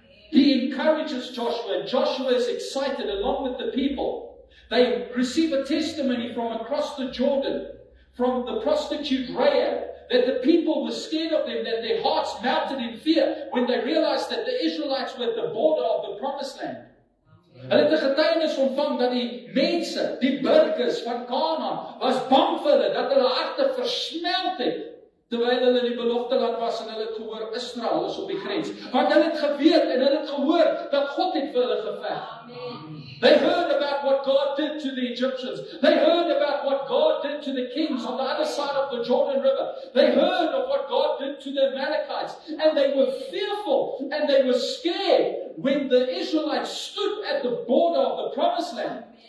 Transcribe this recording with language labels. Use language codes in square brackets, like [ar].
[en] He encourages Joshua. Joshua is excited along with the people. They receive a testimony from across the Jordan, from the prostitute Rahab, that the people were scared of them, that their hearts melted in fear when they realized that the Israelites were at the border of the promised land. [af] Hulle het die getuienis ontvang dat die mense, die burgers van Kanaan, was bang vir hulle, dat hulle harte versmelt het, terwyl hulle die belofte land was en hulle het gehoor, Israel is op die grens. Want hulle het geweet en hulle het gehoor, dat God het vir hulle geveg. [en] They heard about what God did to the Egyptians. They heard about what God did to the kings on the other side of the Jordan River. They heard of what God did to the Amalekites. And they were fearful and they were scared when the Israelites stood at the border of the promised land.